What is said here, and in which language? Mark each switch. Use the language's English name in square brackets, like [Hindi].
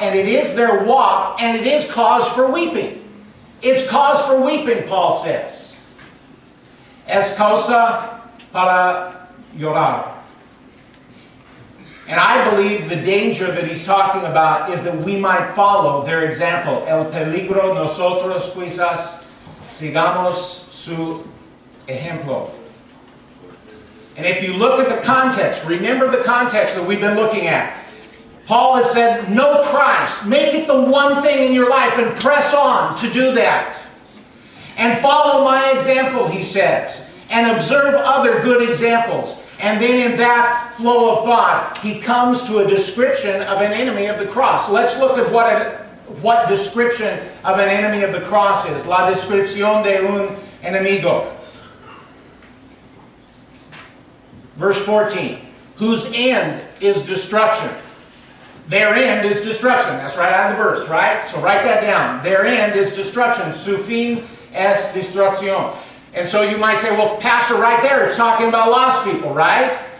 [English] And it is their walk, and it is cause for weeping. It's cause for weeping, Paul says. [Spanish] Es causa para llorar. [English] And I believe the danger that he's talking about is that we might follow their example. [Spanish] El peligro nosotros quizás sigamos su ejemplo. [English] And if you look at the context, remember the context that we've been looking at. Paul has said, know Christ. Make it the one thing in your life and press on to do that. And follow my example, he says. And observe other good examples. And then in that flow of thought, he comes to a description of an enemy of the cross. Let's look at what description of an enemy of the cross is. [Spanish] La descripción de un enemigo. [English] Verse 14, whose end is destruction. Their end is destruction. That's right out of the verse, right? So write that down. Their end is destruction. [Spanish] Su fin es destrucción. [English] And so you might say, well, Pastor, right there, it's talking about lost people, right?